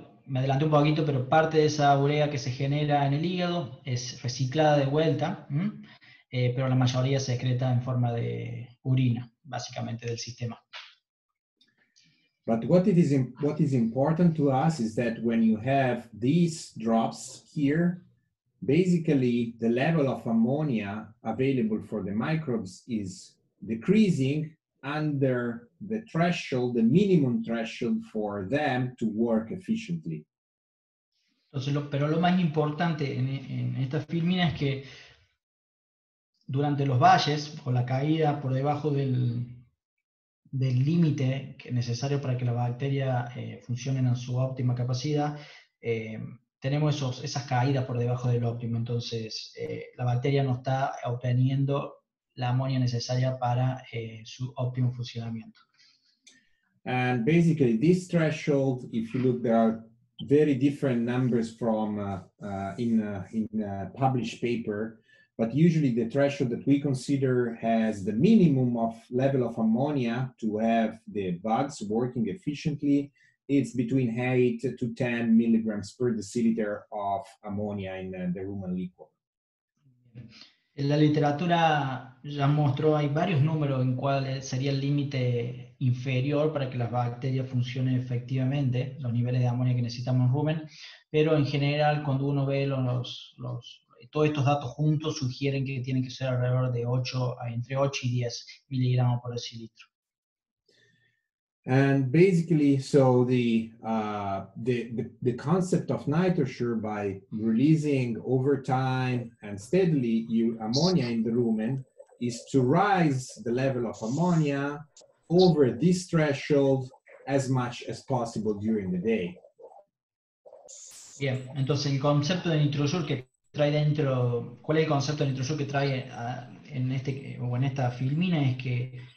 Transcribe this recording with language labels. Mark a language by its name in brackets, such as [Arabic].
[Spanish] Me adelanté un poquito, pero parte de esa urea que se genera en el hígado es reciclada de vuelta, pero la mayoría se excreta en forma de urina, básicamente, del sistema. [English] But what is important to us is that when you have these drops here, basically the level of ammonia available for the microbes is decreasing under the threshold, the minimum threshold for them to work efficiently. [Spanish] Entonces, pero lo más importante en esta filmina es que durante los valles o la caída por debajo del límite necesario para que la bacteria funcione en su óptima capacidad, tenemos esas caídas por debajo del óptimo. Entonces, la bacteria no está obteniendo la amonía necesaria para su óptimo funcionamiento. [English] And basically, this threshold, if you look, there are very different numbers from in a published paper, but usually the threshold that we consider as the minimum of level of ammonia to have the bugs working efficiently, it's between 8 to 10 milligrams per deciliter of ammonia in the rumen liquor. [Spanish] La literatura ya mostró, hay varios números en cuál sería el límite inferior para que las bacterias funcionen efectivamente, los niveles de amonía que necesitamos en rumen, pero en general cuando uno ve todos estos datos juntos sugieren que tienen que ser alrededor de 8, entre 8 y 10 miligramos por decilitro. [English] And basically, so the concept of NitroSure, by releasing over time and steadily ammonia in the rumen, is to rise the level of ammonia over this threshold as much as possible during the day. [Spanish] Bien, entonces el concepto de NitroSure que trae dentro, ¿cuál es el concepto de NitroSure que trae en esta filmina? Es que